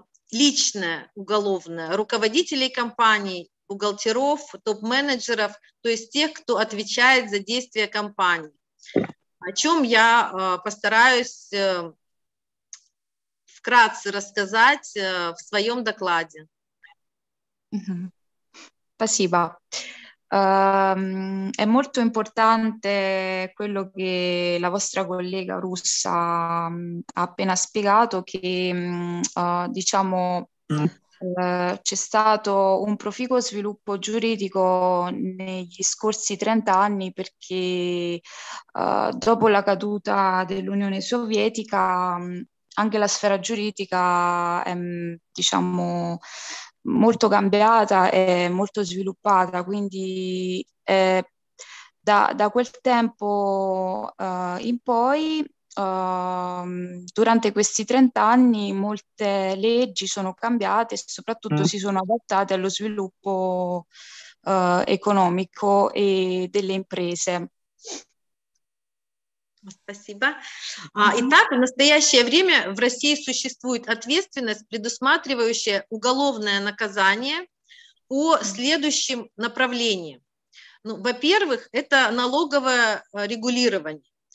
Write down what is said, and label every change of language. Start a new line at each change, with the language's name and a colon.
Russian: личное, уголовное, руководителей компаний, бухгалтеров, топ-менеджеров, то есть тех, кто отвечает за действия компании. О чем я постараюсь вкратце рассказать в своем докладе. Спасибо.
Italian: È molto importante quello che la vostra collega russa ha appena spiegato, che diciamo c'è stato un proficuo sviluppo giuridico negli scorsi 30 anni perché dopo la caduta dell'Unione Sovietica anche la sfera giuridica è diciamo molto cambiata e molto sviluppata, quindi da quel tempo in poi, durante questi 30 anni, molte leggi sono cambiate e soprattutto si sono adattate allo sviluppo economico e delle imprese.
Russian: Спасибо. Итак, в настоящее время в России существует ответственность, предусматривающая уголовное наказание по следующим направлениям. Ну, во-первых, это налоговое регулирование.